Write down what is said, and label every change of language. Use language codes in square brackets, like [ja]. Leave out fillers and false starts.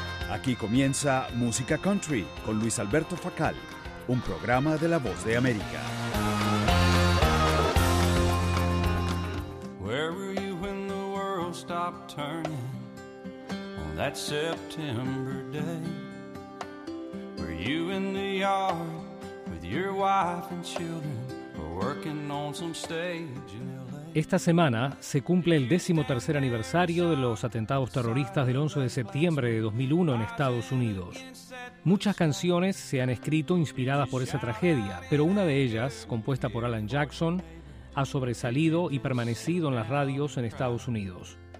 [es] Aquí comienza Música Country con Luis Alberto Facal, un programa de La Voz de América. [en] Where were you when the world stopped turning on that September day? Were you in the yard with your wife and children or working on some stage in LA? [es] Esta semana se cumple el 13º aniversario de los atentados terroristas del 11 de septiembre de 2001 en Estados Unidos. Muchas canciones se han escrito inspiradas por esa tragedia, pero una de ellas, compuesta por Alan Jackson, ha sobresalido y permanecido en las radios en Estados Unidos.